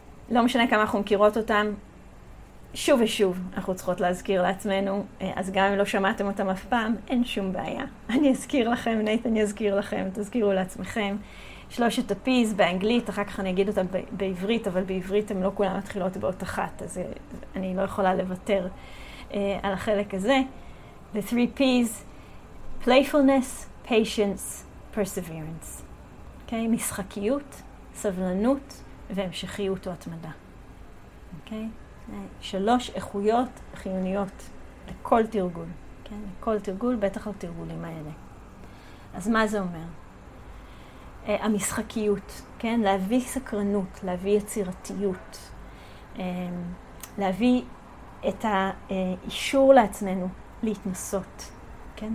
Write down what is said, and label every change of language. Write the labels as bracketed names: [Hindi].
[Hebrew] לא משנה כמה אנחנו מכירות אותן, שוב ושוב אנחנו צריכות להזכיר לעצמנו, אז גם אם לא שמעתם אותם אף פעם, אין שום בעיה. אני אזכיר לכם, נייתן יזכיר לכם, תזכירו לעצמכם. שלושת הפיז באנגלית, אחר כך אני אגיד אותם בעברית, אבל בעברית הם לא כולם מתחילות באות אחת, אז אני לא יכולה לוותר על החלק הזה. [English] The three P's, playfulness, patience, perseverance. Okay? [Hebrew] משחקיות, סבלנות והמשכיות או התמדה. Okay? שלוש איכויות חיוניות לכל תרגול. כן? לכל תרגול, בטח לתרגולים האלה. אז מה זה אומר? המשחקיות, כן? להביא סקרנות, להביא יצירתיות, להביא את האישור לעצמנו להתנסות. כן?